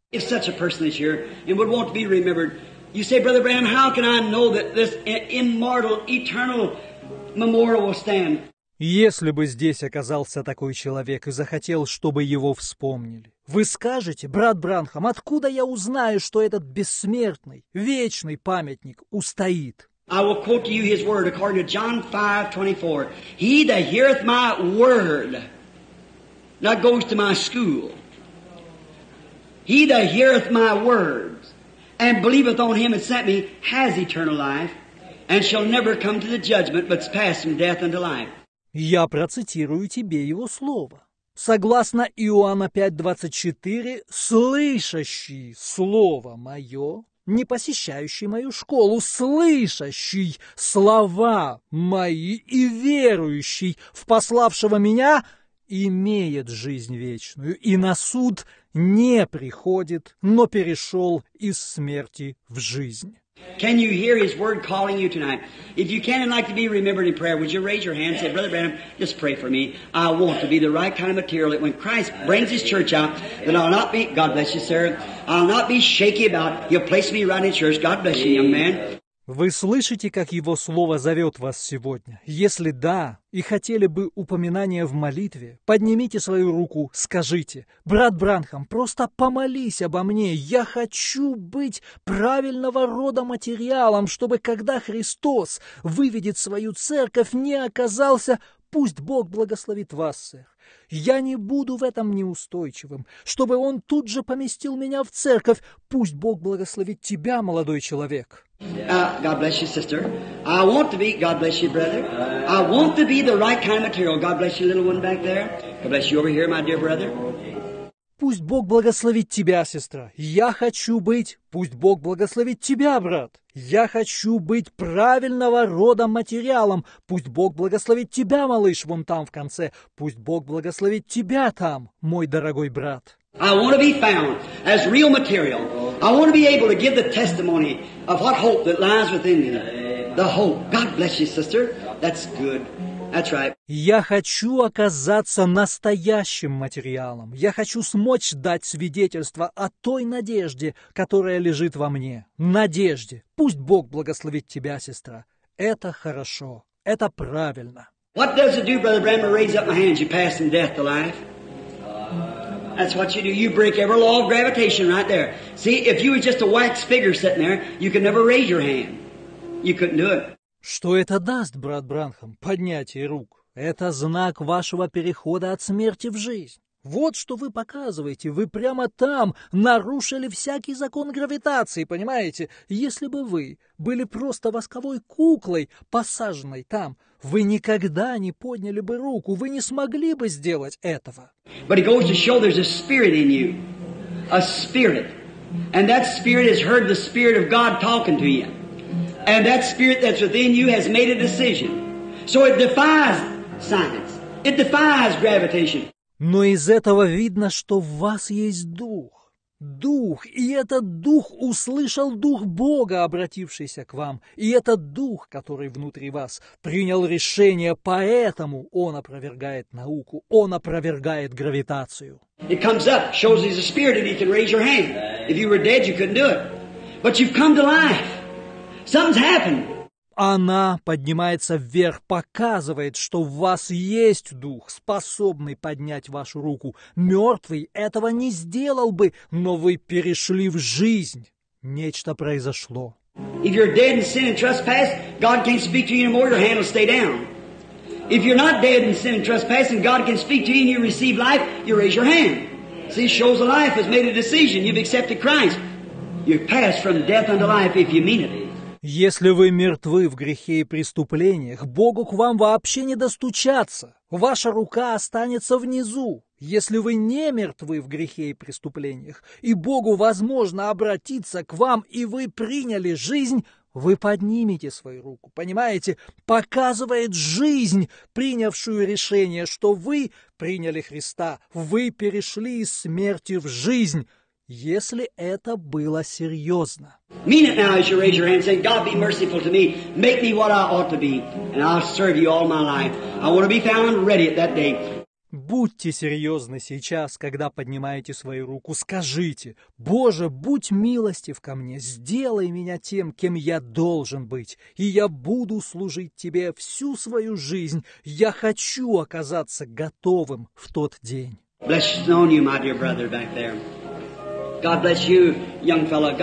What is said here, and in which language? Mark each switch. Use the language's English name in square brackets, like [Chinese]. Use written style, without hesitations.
[English] If such a person is here and would want to be remembered, you say, Brother Branham, how can I know that this immortal, eternal memorial will stand? [Russian] Если бы здесь оказался такой человек и захотел, чтобы его вспомнили. Вы скажете, брат Бранхам, откуда я узнаю, что этот бессмертный, вечный памятник устоит? [English] I will quote to you his word according to John 5:24. He that heareth my word, that goes to my school. He that heareth my words and believeth on him that sent me has eternal life and shall never come to the judgment, but pass from death unto life. [Russian] Я процитирую тебе его слово. Согласно Иоанна 5:24, слышащий слово мое, не посещающий мою школу, слышащий слова мои и верующий в пославшего меня, имеет жизнь вечную и на суд не приходит, но перешел из смерти в жизнь. [English] Can you hear his word calling you tonight? If you can and like to be remembered in prayer, would you raise your hand and say, Brother Branham, just pray for me. I want to be the right kind of material that when Christ brings his church out, that I'll not be, God bless you, sir, I'll not be shaky about it. He'll place me right in church. God bless you, young man. [Russian] Вы слышите, как его слово зовет вас сегодня? Если да, и хотели бы упоминания в молитве, поднимите свою руку, скажите, «Брат Бранхам, просто помолись обо мне, я хочу быть правильного рода материалом, чтобы когда Христос выведет свою церковь, не оказался, пусть Бог благословит вас, сэр. Я не буду в этом неустойчивым, чтобы он тут же поместил меня в церковь, пусть Бог благословит тебя, молодой человек». [English] God bless you, sister. I want to be, God bless you, brother. I want to be the right kind of material. God bless you, little one back there. God bless you over here, my dear brother. [Russian] Пусть Бог благословит тебя, сестра. Я хочу быть, пусть Бог благословит тебя, брат. Я хочу быть правильного рода материалом. Пусть Бог благословит тебя, малыш, вон там в конце. Пусть Бог благословит тебя там, мой дорогой брат. [English] I want to be found as real material. I want to be able to give the testimony of what hope that lies within me. The hope. God bless you, sister. That's good. That's right. [Russian] Я хочу оказаться настоящим материалом. Я хочу смочь дать свидетельство о той надежде, которая лежит во мне. Надежде. Пусть Бог благословит тебя, сестра. Это хорошо. Это правильно. [English] What does it do, Brother Branham? Raise up my hands. You pass from death to life. That's what you do. You break every law of gravitation right there. See, if you were just a wax figure sitting there, you could never raise your hand. You couldn't do it. [Russian] Что это даст, брат Бранхам, поднятие рук? Это знак вашего перехода от смерти в жизнь. Вот что вы показываете. Вы прямо там нарушили всякий закон гравитации, понимаете? Если бы вы были просто восковой куклой, посаженной там, вы никогда не подняли бы руку, вы не смогли бы сделать этого. [English] But it goes to show there's a spirit in you, a spirit. And that spirit has heard the spirit of God talking to you. And that spirit that's within you has made a decision. So it defies science. It defies gravitation. [Russian] Но из этого видно, что в вас есть дух. Дух, и этот дух услышал дух Бога, обратившийся к вам. И этот дух, который внутри вас, принял решение, поэтому он опровергает науку, он опровергает гравитацию. [English] It comes up, shows he's a spirit, and he can raise your hand. If you were dead, you couldn't do it. But you've come to life. Something's happened. [Russian] Она поднимается вверх, показывает, что в вас есть дух, способный поднять вашу руку. Мертвый этого не сделал бы, но вы перешли в жизнь. Нечто произошло. [English] If you're dead in sin and trespass, God can't speak to you anymore, your hand will stay down. If you're not dead in sin and trespass, and God can speak to you and you receive life, you raise your hand. See, shows a life has made a decision. You've accepted Christ. You've passed from death unto life if you mean it. [Russian] Если вы мертвы в грехе и преступлениях, Богу к вам вообще не достучаться. Ваша рука останется внизу. Если вы не мертвы в грехе и преступлениях, и Богу возможно обратиться к вам, и вы приняли жизнь, вы поднимете свою руку. Понимаете? Показывает жизнь, принявшую решение, что вы приняли Христа. Вы перешли из смерти в жизнь. Если это было серьезно. [English] Mean it now as you raise your hand and say, God be merciful to me, make me what I ought to be, and I'll serve you all my life. I want to be found ready at that day. [Russian] Будьте серьезны сейчас, когда поднимаете свою руку. Скажите, Боже, будь милостив ко мне, сделай меня тем, кем я должен быть, и я буду служить Тебе всю свою жизнь. Я хочу оказаться готовым в тот день. [English] Blessed on you, my dear brother back there. God bless you, young fellow.